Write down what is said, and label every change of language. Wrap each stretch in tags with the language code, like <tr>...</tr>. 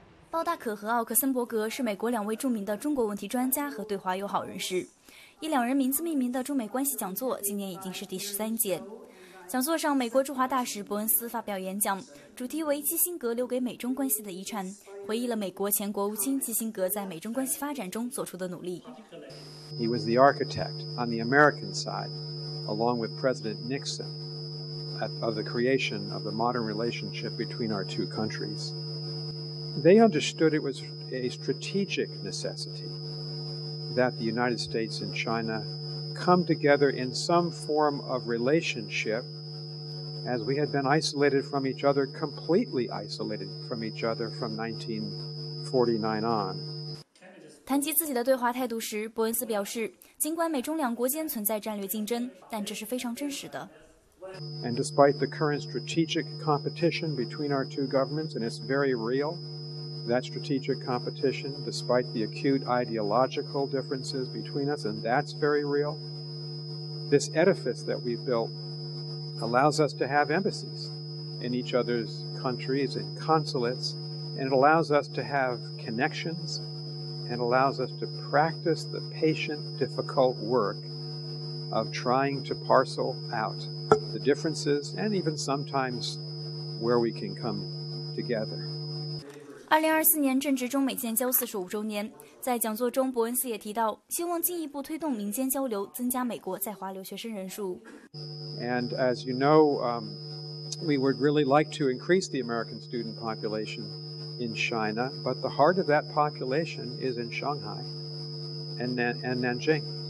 <zh>包大可和奥克森伯格是美国两位著名的中国问题专家和对华友好人士。以两人名字命名的中美关系讲座今年已经是第13届。讲座上，美国驻华大使伯恩斯发表演讲，主题为基辛格留给美中关系的遗产，回忆了美国前国务卿基辛格在美中关系发展中做出的努力。</zh> <en>He was the architect on the American side, along with President Nixon, of the creation of the modern relationship between our two countries. They understood it was a strategic necessity that the United States and China come together in some form of relationship as we had been isolated from each other, completely isolated from each other from 1949 on.</en> <zh>谈及自己的对华态度时，伯恩斯表示，尽管美中两国间存在战略竞争，但这是非常真实的。</zh> <en>And despite the current strategic competition between our two governments, and it's very real, that strategic competition, despite the acute ideological differences between us, and that's very real, this edifice that we've built allows us to have embassies in each other's countries and consulates, and it allows us to have connections and allows us to practice the patient, difficult work of trying to parcel out the differences and even sometimes where we can come together.</en> <zh>2024年正值中美建交45周年，在讲座中伯恩斯也提到，希望进一步推动民间交流，增加美国在华留学生人数。</zh> <en>And as you know, we would really like to increase the American student population in China, but the heart of that population is in Shanghai and Nanjing.</en>